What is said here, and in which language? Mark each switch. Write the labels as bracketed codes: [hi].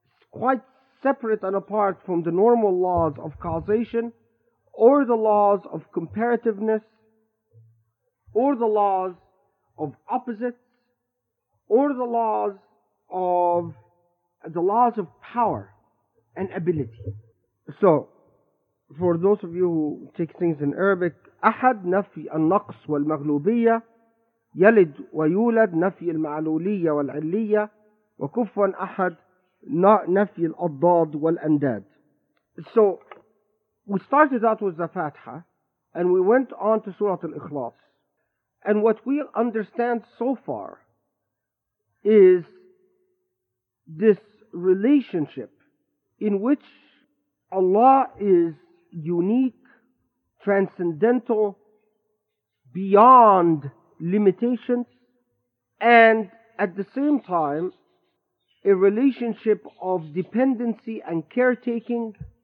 [en] quite separate and apart from the normal laws of causation, or the laws of comparativeness, or the laws of opposites, or the laws of power and ability. So, for those of you who take things in Arabic, [ar] أحد نفي النقص والمغلوبية, يلد ويولد نفي المعلولية والعلية, وكفوا أحد نفي الأضداد والأنداد. [en] So, we started out with the Fatiha, and we went on to Surah Al-Ikhlas. And what we understand so far is this relationship in which Allah is unique, transcendental, beyond limitations, and at the same time, a relationship of dependency and caretaking.